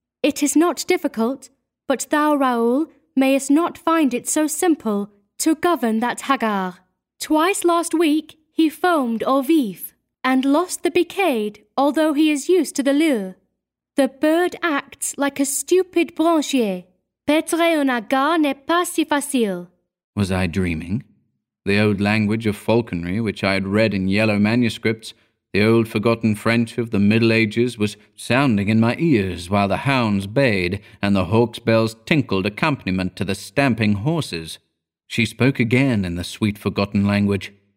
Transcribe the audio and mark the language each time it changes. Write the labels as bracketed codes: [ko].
[en] It is not difficult, but thou, Raoul, mayest not find it so simple to govern that haggard. Twice last week he foamed au vif, and lost the picade, although he is used to the lure. The bird acts like a stupid branchier. [fr] Paître un haggard n'est pas si facile. [en] Was I dreaming? The old language of falconry, which I had read in yellow manuscripts, the old forgotten French of the Middle Ages, was sounding in my ears while the hounds bayed and the hawk's bells tinkled accompaniment to the stamping horses. She spoke again in the sweet forgotten language.